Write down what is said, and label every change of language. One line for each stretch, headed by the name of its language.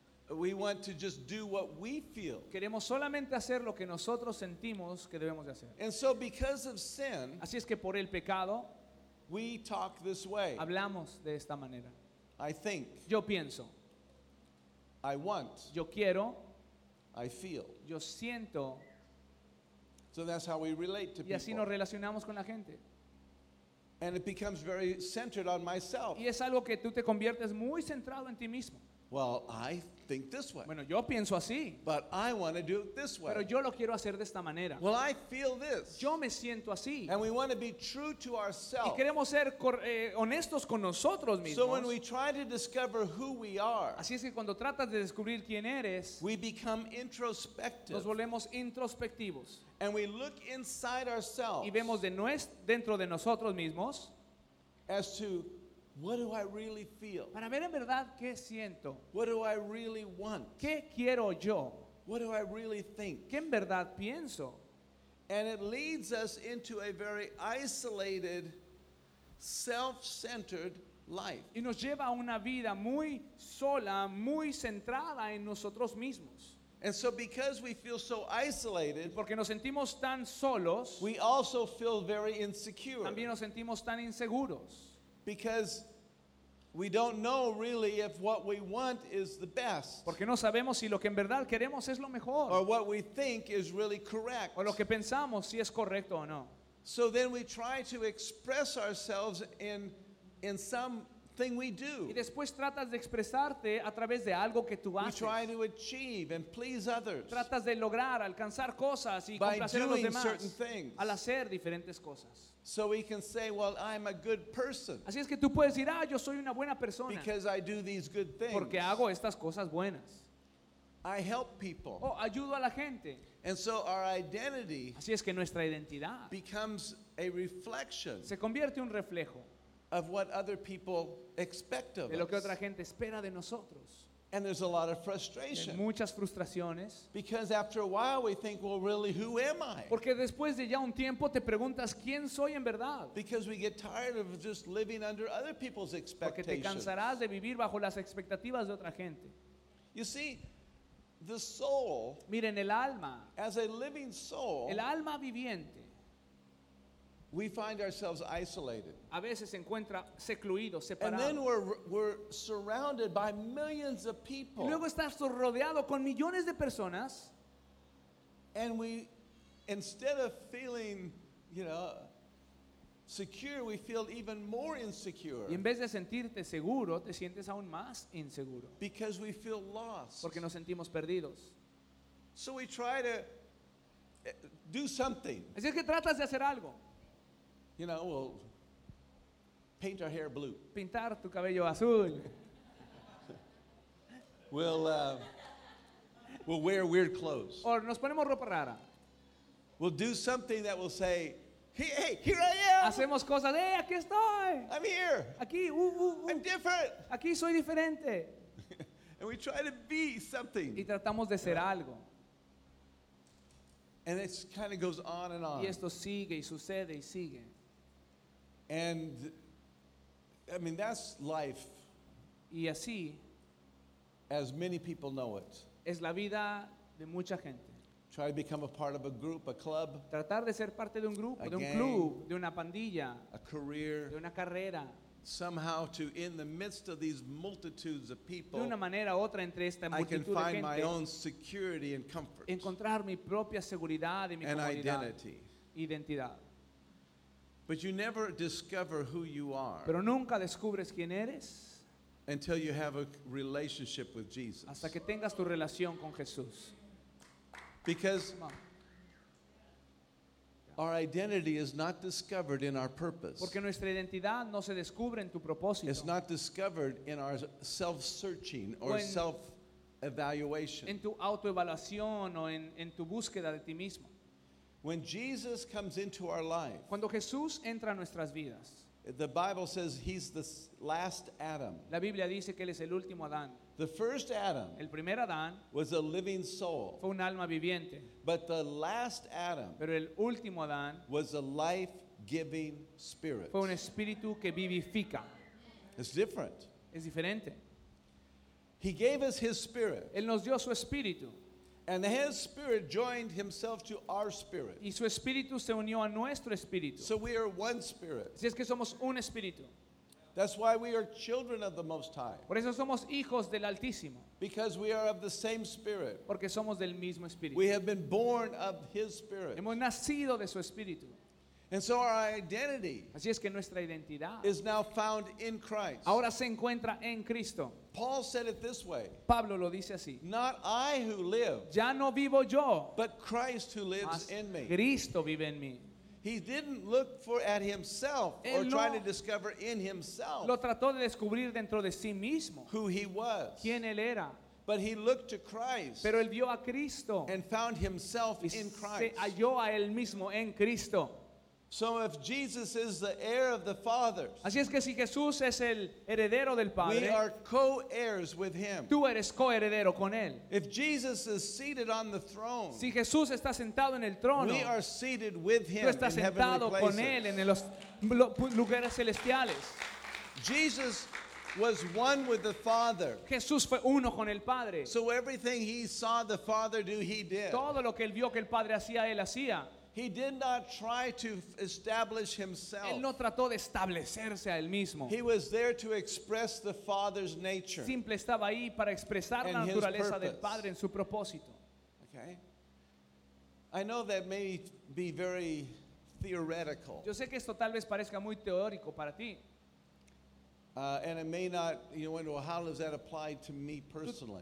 English: we want to just do what we feel.
Spanish: Queremos solamente hacer lo que nosotros sentimos que debemos de hacer.
English: And so because of sin,
Spanish: así es que por el pecado,
English: we talk this way.
Spanish: Hablamos de esta manera.
English: I think.
Spanish: Yo pienso.
English: I want.
Spanish: Yo quiero.
English: I feel.
Spanish: Yo siento.
English: So that's how we relate to people.
Spanish: Y así nos relacionamos con la gente.
English: And it becomes very centered on myself.
Spanish: Y es algo que tú te conviertes muy centrado en ti mismo.
English: Well, I think this way.
Spanish: Bueno, yo pienso así.
English: But I want to do it this way.
Spanish: Pero yo lo quiero hacer de esta manera.
English: Well, I feel this.
Spanish: Yo me siento así.
English: And we want to be true to ourselves.
Spanish: Y queremos ser honestos con nosotros mismos.
English: So when we try to discover who we are,
Spanish: así es que cuando tratas de descubrir quién eres,
English: we become introspective.
Spanish: Nos volvemos introspectivos.
English: And we look inside ourselves.
Spanish: Y vemos dentro de nosotros mismos.
English: As to what do I really feel?
Spanish: Para ver en verdad qué siento.
English: What do I really want?
Spanish: ¿Qué quiero yo?
English: What do I really think?
Spanish: ¿Qué en verdad pienso?
English: And it leads us into a very isolated, self-centered life.
Spanish: Y nos lleva a una vida muy sola, muy centrada en nosotros mismos.
English: And so because we feel so isolated,
Spanish: porque nos sentimos tan solos,
English: we also feel very insecure.
Spanish: También nos sentimos tan inseguros.
English: Because we don't know really if what we want is the best.
Spanish: Porque no sabemos si lo que en verdad queremos es lo mejor.
English: Or what we think is really correct.
Spanish: O lo que pensamos si es correcto o no.
English: So then we try to express ourselves in something we do.
Spanish: Y después tratas de expresarte a través de algo que tú haces.
English: We try to achieve and please others.
Spanish: Tratas de lograr alcanzar cosas y complacer a los demás.
English: Certain things.
Spanish: Al hacer diferentes cosas.
English: So we can say, well, I'm a good person.
Spanish: Así es que tú puedes decir, ah, yo soy una buena persona.
English: Because I do these good things.
Spanish: Porque hago estas cosas buenas.
English: I help people.
Spanish: Oh, ayudo a la gente.
English: And so our identity,
Spanish: así es que nuestra identidad,
English: becomes a reflection.
Spanish: Se convierte un reflejo.
English: Of what other people expect of us.
Spanish: De lo que otra gente espera de nosotros.
English: And there's a lot of frustration.
Spanish: Muchas frustraciones.
English: Because after a while we think, well, really, who am I?
Spanish: Porque después de ya un tiempo te preguntas quién soy en verdad.
English: Because we get tired of just living under other people's expectations.
Spanish: Porque te cansarás de vivir bajo las expectativas de otra gente.
English: You see, the soul.
Spanish: Miren, el alma.
English: As a living soul.
Spanish: El alma viviente.
English: We find ourselves isolated.
Spanish: A veces se encuentra secluido, separado.
English: And then we're surrounded by millions of people.
Spanish: Y luego estás rodeado con millones de personas.
English: And we, instead of feeling, you know, secure, we feel even more insecure.
Spanish: Y en vez de sentirte seguro, te sientes aún más inseguro.
English: Because we feel lost.
Spanish: Porque nos sentimos perdidos.
English: So we try to do something.
Spanish: Así es que tratas de hacer algo.
English: You know, we'll paint our hair blue.
Spanish: Pintar tu cabello azul.
English: We'll wear weird clothes.
Spanish: O nos ponemos ropa rara.
English: We'll do something that will say, hey, here I am.
Spanish: Hacemos cosas, hey, aquí estoy.
English: I'm here.
Spanish: Aquí,
English: I'm different.
Spanish: Aquí soy diferente.
English: And we try to be something.
Spanish: Y tratamos de ser algo.
English: And it kind of goes on and on.
Spanish: Y esto sigue y sucede y sigue.
English: And I mean, that's life.
Spanish: Y así,
English: as many people know it.
Spanish: Es la vida de mucha gente.
English: Try to become a part of a group, a club.
Spanish: Tratar de ser parte de un grupo,
English: a
Spanish: de un
English: gang,
Spanish: club, de una pandilla.
English: A career.
Spanish: De una carrera.
English: Somehow to, in the midst of these multitudes of people,
Spanish: de una manera u otra, entre esta multitud
English: I can
Spanish: de
English: find
Spanish: gente,
English: my own security and comfort.
Spanish: Encontrar mi propia seguridad y mi
English: and identity.
Spanish: Identidad.
English: But you never discover who you are.
Spanish: Pero nunca descubres quién eres.
English: Until you have a relationship with Jesus.
Spanish: Hasta que tengas tu relación con Jesús.
English: Because our identity is not discovered in our purpose.
Spanish: Porque nuestra identidad no se descubre en tu propósito.
English: It's not discovered in our self-searching or self-evaluation.
Spanish: En tu autoevaluación o en tu búsqueda de ti mismo.
English: When Jesus comes into our life,
Spanish: cuando Jesús entra a nuestras vidas,
English: the Bible says he's the last Adam.
Spanish: La Biblia dice que él es el último Adán.
English: The first Adam,
Spanish: el primer Adán,
English: was a living soul.
Spanish: Fue un alma viviente.
English: But the last Adam,
Spanish: pero el último Adán,
English: was a life-giving spirit.
Spanish: Fue un espíritu que vivifica.
English: It's different.
Spanish: Es diferente.
English: He gave us his spirit.
Spanish: Él nos dio su espíritu.
English: And his spirit joined himself to our spirit.
Spanish: Y su espíritu se unió a nuestro espíritu.
English: So we are one spirit.
Spanish: Si es que somos un espíritu.
English: That's why we are children of the Most High.
Spanish: Por eso somos hijos del Altísimo.
English: Because we are of the same spirit.
Spanish: Porque somos del mismo espíritu.
English: We have been born of his spirit.
Spanish: Hemos nacido de su espíritu.
English: And so our identity,
Spanish: así es que nuestra identidad,
English: is now found in Christ.
Spanish: Ahora se encuentra en Cristo.
English: Paul said it this way.
Spanish: Pablo lo dice así.
English: Not I who live,
Spanish: ya no vivo yo,
English: but Christ who lives in me.
Spanish: Cristo vive en mí.
English: He didn't look for at himself or try to discover in himself
Spanish: lo trató de descubrir dentro de sí mismo
English: who he was.
Spanish: Quién él era.
English: But he looked to Christ,
Spanish: pero él vio a Cristo,
English: and found himself in Christ.
Spanish: Se halló a él mismo en Cristo.
English: So if Jesus is the heir of the fathers,
Spanish: así es que si Jesús es el heredero del Padre,
English: we are co-heirs with him.
Spanish: Tú eres co-heredero con él.
English: If Jesus is seated on the throne,
Spanish: si Jesús está sentado en el trono,
English: we are seated with him
Spanish: tú estás
English: in
Spanish: sentado
English: heavenly places.
Spanish: Con él en los lugares celestiales.
English: Jesus was one with the Father.
Spanish: Jesús fue uno con el Padre.
English: So everything he saw the Father do, he did.
Spanish: Todo lo que él vio que el Padre hacía, él hacía.
English: He did not try to establish himself.
Spanish: Él no trató de establecerse a él mismo.
English: He was there to express the Father's nature.
Spanish: Simple estaba ahí para expresar la naturaleza del Padre en su propósito.
English: Okay. I know that may be very theoretical.
Spanish: Yo sé que esto tal vez parezca muy teórico para ti.
English: And it may not, you know, well, how does that apply to me personally?